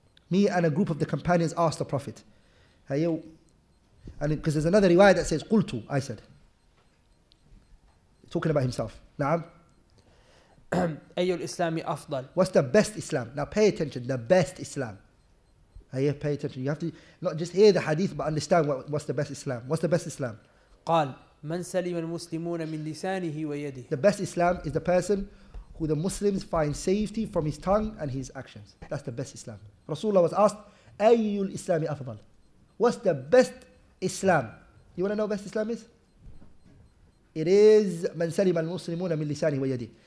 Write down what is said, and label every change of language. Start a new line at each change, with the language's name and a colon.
English: Me and a group of the companions asked the prophet. And because there's another riwayat that says قلتو, I said. Talking about himself. نعم.
Arabic: أي الإسلام أفضل.
English: What's the best Islam? Now pay attention. The best Islam. Hey, pay attention. You have to not just hear the hadith, but understand what's the best Islam. What's the best Islam?
Arabic: قال من سلم المسلمون من لسانه ويده.
English: The best Islam is the person who the Muslims find safety from his tongue and his actions. That's the best Islam. Rasulullah was asked,
Arabic: أي الإسلام أفضل.
English: What's the best Islam? You want to know what best Islam is? It is
Arabic: من سلم المسلمون من لسانه ويده.